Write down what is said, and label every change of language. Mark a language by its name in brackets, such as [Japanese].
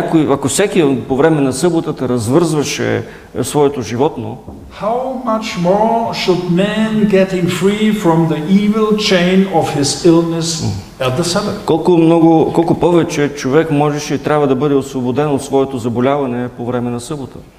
[Bulgarian] Ако всеки по време на съботата развързваше своето животно, [English] how much more should man getting free from the evil chain of his illness at the Sabbath? [Bulgarian] Колко повече човек можеше и трябва да бъде освободен от своето заболяване по време на събота?